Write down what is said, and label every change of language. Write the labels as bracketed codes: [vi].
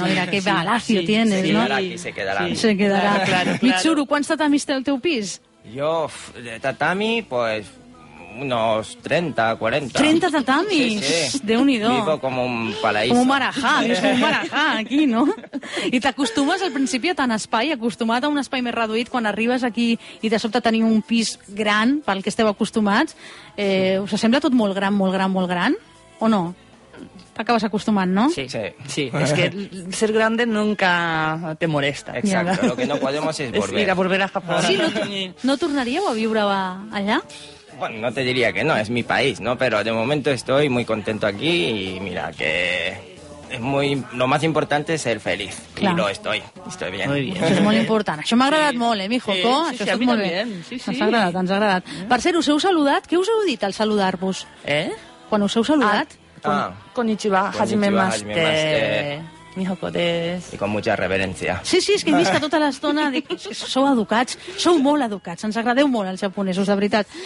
[es] ¿no? Mira, sí, qué palacio sí, tienes, sí, ¿no? Se quedará aquí, se quedará. Sí, se quedará. Claro, claro. [ca] Michuru, ¿cuántos tatamis té el teu pis? [es] Yo, de tatami, pues unos 30, 40. ¿30 tatamis? Sí, sí. [ca] Déu-n'hi-do. [es] Vivo como un paraíso. Como un marajá, dius, como un marajá aquí, no? [ca] I t'acostumes al principi a tant espai, acostumat a un espai més reduït, quan arribes aquí i de sobte tenim un pis gran, pel que esteu acostumats, us sembla tot molt gran, molt gran, molt gran? O no? T'acabes acostumant, no? Sí, [es] sí. Sí. Es que ser grande nunca te molesta. Exacto, lo que no podemos es volver. Mira, volver a Japón. [ca] Sí, no tornaríeu a viure allà? [es] Bueno, no te diría que no, es mi país, ¿no? Pero de momento estoy muy contento aquí y mira que es muy, lo más importante es ser feliz. [ca] Clar. [es] Y lo estoy, estoy bien. Muy bien. [ca] Això és molt important. Això m'ha agradat molt, mi joco. Sí, sí, sí, a mi també. Sí, sí. Ens ha agradat, ens ha agradat. Per cert, us heu saludat? Què us heu dit al saludar-vos? Eh? Quan us heu saludat? [ja] Konnichiwa, hajimemashite. [es] I con mucha reverencia. [ca] Sí, sí, és que he vist que tota l'estona sou educats, sou molt educats, ens agradeu molt els japonesos, de veritat.